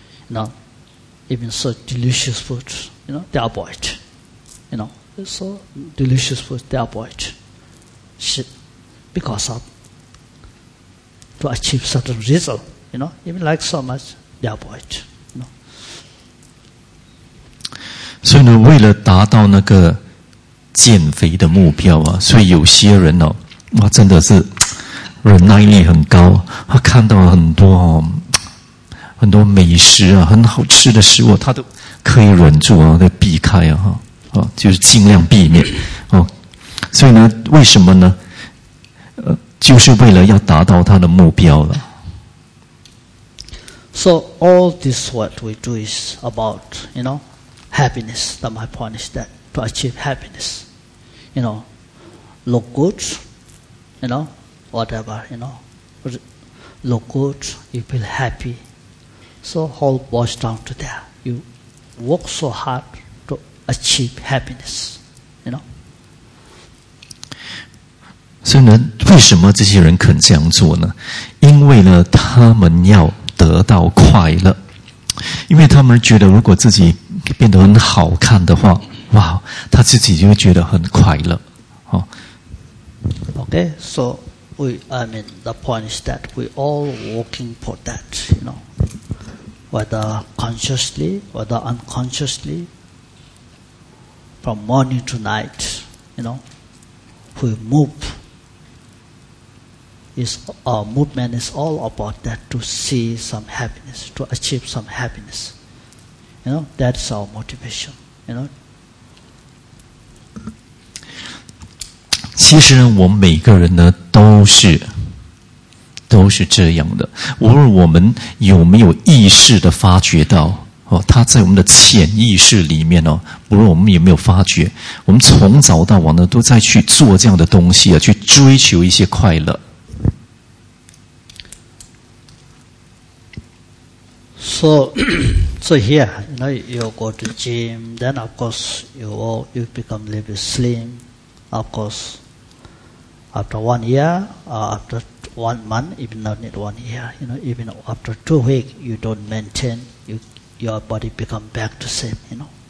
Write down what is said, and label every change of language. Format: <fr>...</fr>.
<en>No, even so delicious food, you know, they avoid. You know, so delicious food, they avoid. Shit, because of to achieve certain result, you know, even like so much, they avoid. You know.</en> <zh>所以呢，为了达到那个减肥的目标啊，所以有些人哦，哇，真的是忍耐力很高，他看到很多哦。很多美食啊，很好吃的食物，他都可以忍住啊，都避开啊，就是尽量避免哦。所以呢，为什么呢？就是为了要达到他的目标了。</zh> <en>So all this what we do is about, you know, happiness. That my point is that to achieve happiness, you know, look good, you know, whatever, you know, look good, you feel happy. So all boils down to that. You work so hard to achieve happiness, you know.</en> <zh>所以呢，为什么这些人肯这样做呢？因为呢，他们要得到快乐，因为他们觉得如果自己变得很好看的话，哇，他自己就会觉得很快乐。哦、</zh> <en>Okay, so the point is that we all working for that, you know. Whether consciously, whether unconsciously, from morning to night, you know, we move. Is our movement is all about that to see some happiness, to achieve some happiness. You know, that's our motivation. You know.</en> <zh>其实呢，我们每个人呢，都是这样的，无论我们有没有意识的发觉到、哦、它在我们的潜意识里面、哦、无论我们有没有发觉，我们从早到晚呢都在去做这样的东西、啊、去追求一些快乐。</zh> <en>So here, you know, you go to gym, then of course you become a little bit slim. Of course, after 1 year, after 1 month, even not need 1 year, you know, even after 2 weeks, you don't maintain, your body become back to same, you know.</en>